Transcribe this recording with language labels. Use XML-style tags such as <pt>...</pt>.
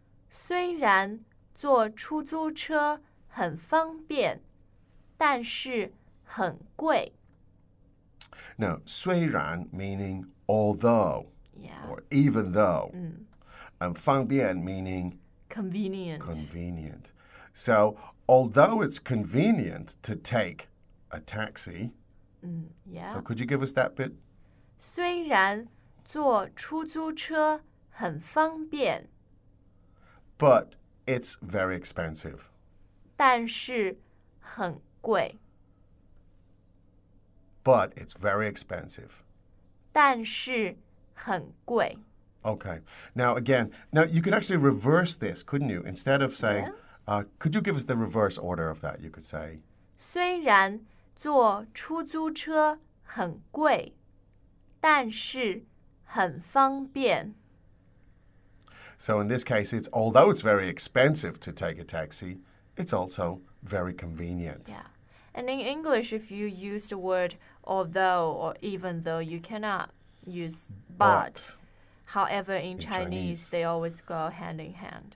<zh>虽然坐出租车很方便，但是很贵。</zh> <en>Now, 虽然 meaning although, or even though, and 方便 meaning convenient. Convenient. So, although it's convenient to take a taxi, so could you give us that bit?</en> <zh>虽然坐出租车很方便</zh> <en>but... It's very expensive.</en> <zh>但是很贵。</zh> <en>But it's very expensive.</en> <zh>但是很贵。</zh> <en>Okay. Now, again, you could actually reverse this, couldn't you? Instead of saying, Could you give us the reverse order of that? You could say,</en> <zh>虽然坐出租车很贵，但是很方便。</zh> <en>So in this case, it's although it's very expensive to take a taxi, it's also very convenient. Yeah. And in English, if you use the word although or even though, you cannot use but. However, in Chinese, they always go hand in hand.</en>